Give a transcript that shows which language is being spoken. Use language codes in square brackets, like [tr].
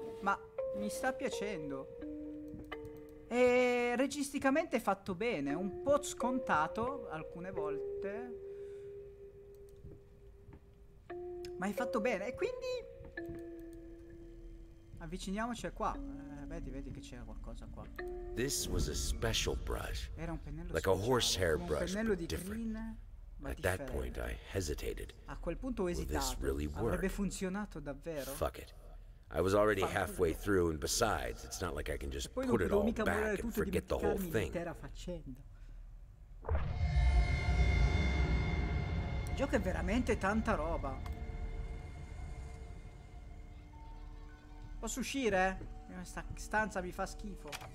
[it] Ma mi sta piacendo. E registicamente è fatto bene. Un po' scontato alcune volte. Ma è fatto bene. E quindi... Avviciniamoci a qua. Vedi che c'era qualcosa qua. [en] This was a special brush. [it] Era un pennello [en] like [it] speciale, [en] a horsehair brush. [it] Un pennello di [en] different. Green. Ma at that point I hesitated. [it] A quel punto ho esitato. [en] Really [it] avrebbe funzionato davvero? [en] Fuck it. I was already halfway through and besides, it's not like I can just put it all back and forget the whole thing. [it] L'intera faccenda. Il gioco è veramente tanta roba. Posso uscire? Questa stanza mi fa schifo.